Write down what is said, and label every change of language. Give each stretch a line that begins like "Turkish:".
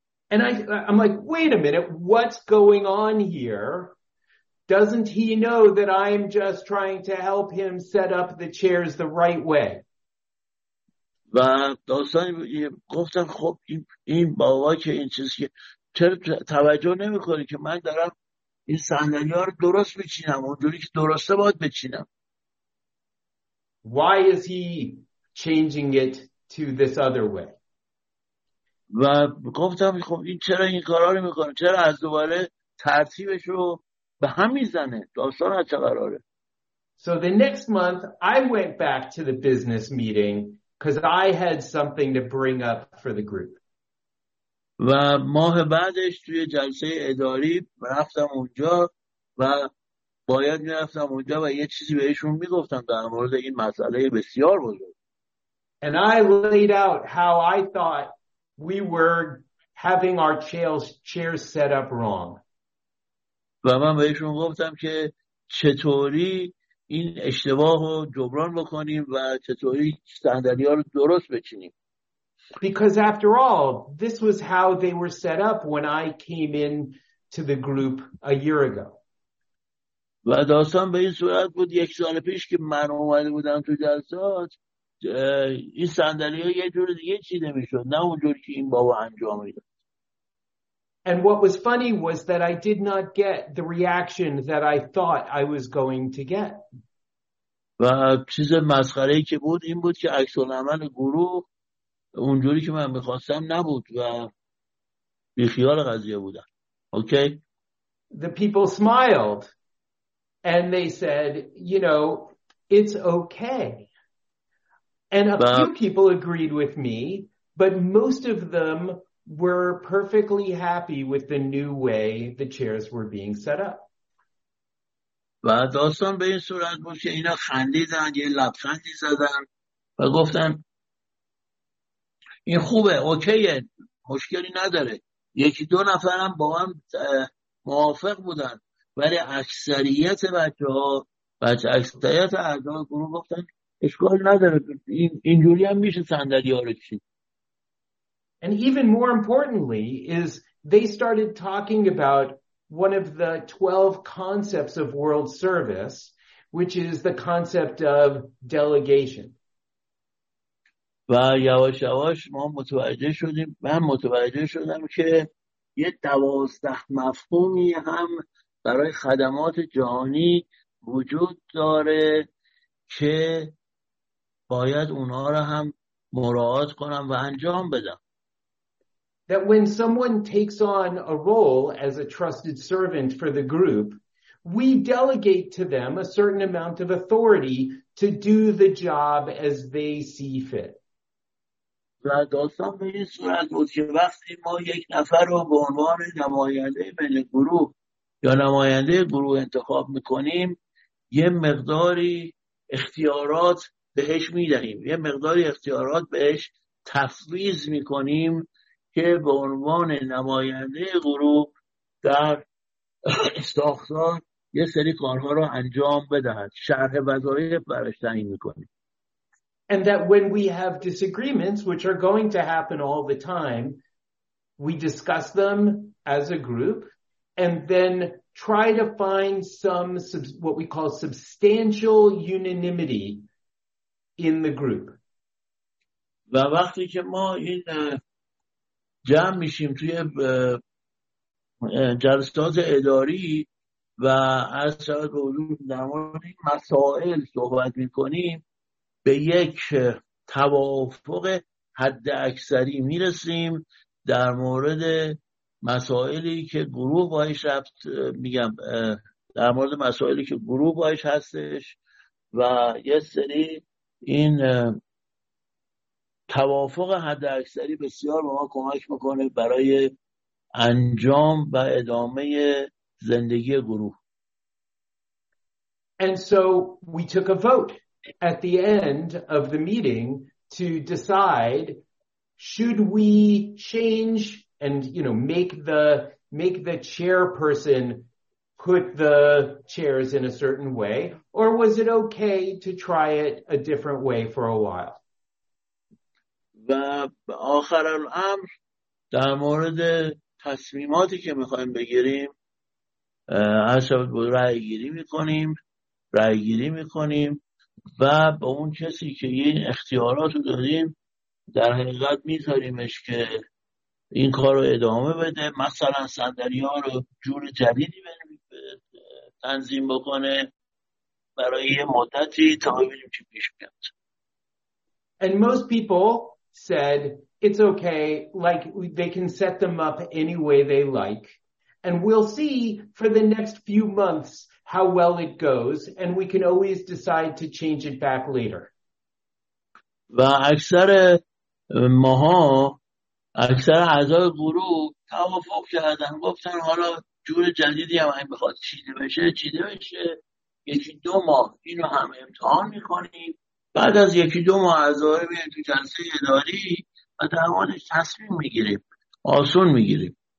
English: And I'm like, wait a minute, what's going on here? Doesn't he know that I'm just trying to help him set up the chairs the right way?
Persian: و داستان گفتم خب این بابا که این چیزی که چرا توجه نمی کنی که من دارم این صندلی ها رو درست بچینم اونجوری که درسته باید بچینم.
English: Why is he changing it to this other way?
Persian: و گفتم خب این چرا این کارها رو می کنه؟ چرا از دوباره ترتیبش رو به هم می زنه؟ داستان از چه قراره؟
English: So the next month I went back to the business meeting because I had something to bring up for the group.
Persian: و ماه بعدش توی جلسه اداری رفتم اونجا و باید می‌رفتم اونجا و یه چیزی بهشون می‌گفتم در مورد این مسئله بسیار بزرگ.
English: And I laid out how I thought we were having our chairs set up wrong.
Persian: و من بهشون گفتم که چطوری این اشتباه رو جبران بکنیم و چطوری صندلی‌ها رو درست بچینیم.
English: Because after all, this was how they were set up when I came in to the group a year ago.
Persian: و داستان به این صورت بود یک سال پیش که من اومده بودم تو جلسات این صندلی‌ها یه جور دیگه چیده میشد نه اونجور که این بابا انجام میداد.
English: And what was funny was that I did not get the reaction that I thought I was going to get.
Persian: و چیز مسخره‌ای که بود این بود که عکس العمل گروه اونجوری که من می‌خواستم نبود و بی خیال قضیه بودن. اوکی؟
English: The people smiled. And they said, you know, it's okay. And a few people agreed with me, but most of them were perfectly happy with the new way the chairs were being set up.
Persian: و داستان به این صورت بود که اینا خندیدن، یه لبخندی زدن و گفتن این خوبه، اوکیه، مشکلی نداره. یکی دو نفرم با هم موافق بودن، ولی اکثریت بچه ها و اکثریت اعضای گروه گفتن اشکال نداره، اینجوری هم میشه صندلی ها رو چید.
English: And even more importantly is they started talking about one of the 12 concepts of world service, which is the concept of delegation.
Persian: و یواش یواش ما متوجه شدیم، من متوجه شدم که یه 12 مفهومی هم برای خدمات جهانی وجود داره که باید اونها رو هم مراعات کنم و انجام بدم.
English: That when someone takes on a role as a trusted servant for the group, we delegate to them a certain amount of authority to do the job as they see fit.
Persian: و داستان به این صورت بود که وقتی ما یک نفر رو به عنوان نماینده بین گروه یا نماینده گروه انتخاب میکنیم، یه مقداری اختیارات بهش میدهیم، یه مقداری اختیارات بهش تفویض میکنیم که به عنوان نماینده گروه در ساختار یه سری کارها رو انجام بدهد، شرح وظایف براش تعیین میکنیم.
English: And that when we have disagreements, which are going to happen all the time, we discuss them as a group and then try to find some what we call substantial unanimity in the group.
Persian: و وقتی که ما این جمع میشیم توی جلسات اداری و از شاید حضور نمانی مسائل صحبت میکنیم، به یک توافق حد اکثری میرسیم در مورد مسائلی که گروه بایش رفت، میگم در مورد مسائلی که گروه بایش هستش و یه سری این توافق حد اکثری بسیار به ما کمک میکنه برای انجام و ادامه زندگی گروه.
English: And so we took a vote at the end of the meeting to decide, should we change and, you know, make the chairperson put the chairs in a certain way, or was it okay to try it a different way for a while?
Persian: و آخر الامر در مورد تصمیماتی که میخوایم بگیریم حسابت بود رأی گیری میکنیم و با اون کسی که این اختیارات رو دادیم در حقیقت میذاریمش که این کار رو ادامه بده، مثلا صندلی ها رو جور جدیدی تنظیم بکنه برای یه مدتی تا ببینیم چی پیش میاد.
English: And most people said it's okay, like they can set them up any way they like, and we'll see for the next few months how well it goes, and we can always decide to change it back later.
Persian: و اکثر ماها، اکثر اعضای گروه توافق کردن، گفتن حالا جور جدیدی هم این بخواد چیده بشه یکی دو ماه اینو هم امتحان میکنیم، بعد از یکی دو ماه اعضای بیاریم تو جلسه اداری و در موردش تصمیم میگیریم، آسون میگیریم.